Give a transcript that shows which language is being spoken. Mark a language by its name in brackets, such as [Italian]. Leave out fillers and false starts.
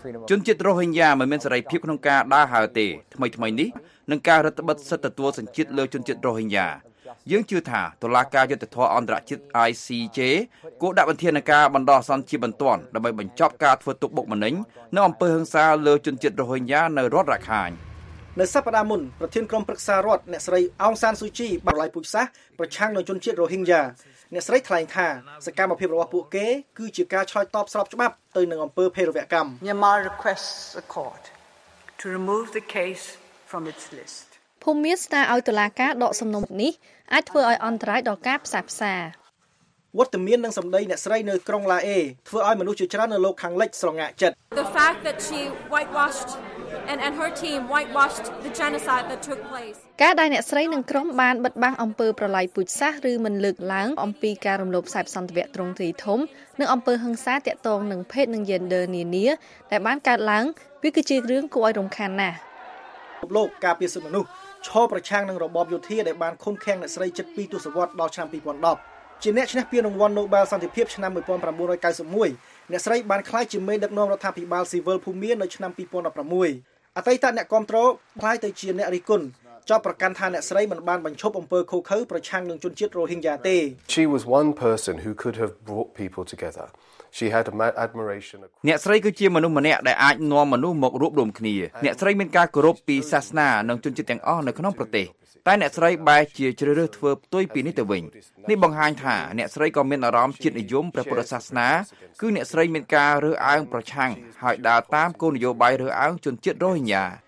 [Khmer] ជនជាតិរ៉ូហីងយ៉ាមិនមានសេរីភាពក្នុងការដើរហើរទេថ្មីៗនេះនឹងការរឹតបន្តឹងសិទ្ធិទទួលសញ្ជាតិលើជនជាតិរ៉ូហីងយ៉ាយើងជឿថាតុលាការយុត្តិធម៌អន្តរជាតិ ICJ គួរដាក់បន្ទាននការបណ្ដោះអាសន្នជាបន្ទាន់ដើម្បីបញ្ចប់ការធ្វើទុកបុកម្នេញនៅអំពើហិង្សាលើជនជាតិរ៉ូហីងយ៉ានៅរដ្ឋរាខាញ់ នៅសប្តាហ៍មុនប្រធានក្រុមប្រឹក្សារដ្ឋអ្នកស្រីអោងសានស៊ូជីបានប្រឡាយពូជសាសន៍ប្រឆាំងនឹងជនជាតិរ៉ូហីងយ៉ាអ្នកស្រីថ្លែងថាសកម្មភាពរបស់ពួកគេគឺជាការឆ្លើយតបស្របច្បាប់ទៅនឹងអំពើភេរវកម្ម [English] ញាមាល់ request a court to remove the case from its list [Khmer] ភូមិមានស្នើឲ្យតុលាការដកសំណុំនេះអាចធ្វើឲ្យអន្តរាយដល់ការផ្សះផ្សា វត្តមាននឹងសម្ដីអ្នកស្រីនៅក្រុងឡាអេធ្វើឲ្យមនុស្សជាច្រើននៅលោកខាងលិចស្រងាក់ចិត្ត [English] The fact that she whitewashed and her team whitewashed the genocide that took place [Khmer] ការដែលអ្នកស្រីនឹងក្រុមបានបិទបាំងអំពើប្រល័យពូជសាសន៍ឬមិនលើកឡើងអំពីការរំលោភសិទ្ធិសន្តិវៈទ្រង់ទ្រាយធំនៅអំពើហិង្សាតាក់ទងនឹងភេទនិង gender នានាដែលបានកើតឡើងវាគឺជារឿងគួរឲ្យរំខានណាស់លោកការពារសិទ្ធិមនុស្សឈរប្រឆាំងនឹងរបបយោធាដែលបានឃុំឃាំងអ្នកស្រីជិត2ទសវត្សរ៍ដល់ឆ្នាំ2010ជាអ្នកឈ្នះពានរង្វាន់ Nobel សន្តិភាពឆ្នាំ1991 អ្នកស្រីបានក្លាយជាមេដឹកនាំរដ្ឋាភិបាលស៊ីវិលភូមិមាននៅឆ្នាំ2016អតីតអ្នកគាំទ្រក្លាយទៅជាអ្នករិះគន់ចោទប្រកាន់ថាអ្នកស្រីមិនបានបញ្ឈប់អំពើឃោរឃៅប្រឆាំងនឹងជនជាតិរ៉ូហីងយ៉ាទេ [English] She was one person who could have brought people together. She had admiration. [Khmer] អ្នកស្រីគឺជាមនុស្សម្នាក់ដែលអាចនាំមនុស្សមករួបរวมគ្នាអ្នកស្រីមានការគោរពពីសាសនានិងជនជាតិទាំងអស់នៅក្នុងប្រទេសតែអ្នកស្រីបែរជាជ្រើសរើសធ្វើផ្ទុយពីនេះទៅវិញនេះបង្ហាញថាអ្នកស្រីក៏មានអារម្មណ៍ជាតិនិយមព្រះពុទ្ធសាសនាគឺអ្នកស្រីមានការរើសអើងប្រឆាំងហើយដើរតាមគោលនយោបាយរើសអើងជនជាតិរ៉ូហីងយ៉ា